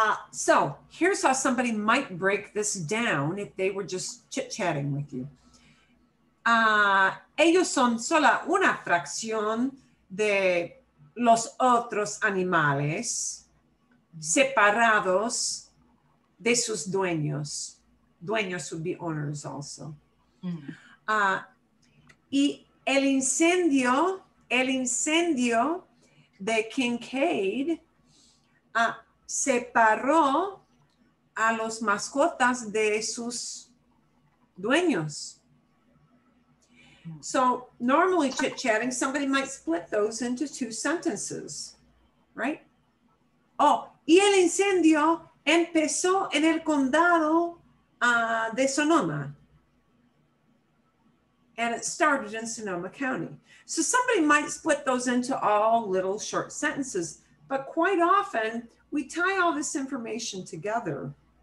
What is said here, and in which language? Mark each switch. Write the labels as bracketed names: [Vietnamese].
[English] So here's how somebody might break this down if they were just chit-chatting with you. [Spanish] Ellos son sola una fracción de los otros animales separados de sus dueños. [English] Dueños would be owners also. Mm. [Spanish] Y el incendio de Kincaid separó a los mascotas de sus dueños. [English] So normally chit-chatting, somebody might split those into two sentences, right? Oh, [Spanish] Y el incendio empezó en el condado de Sonoma. [English] And it started in Sonoma County. So somebody might split those into all little short sentences, but quite often we tie all this information together.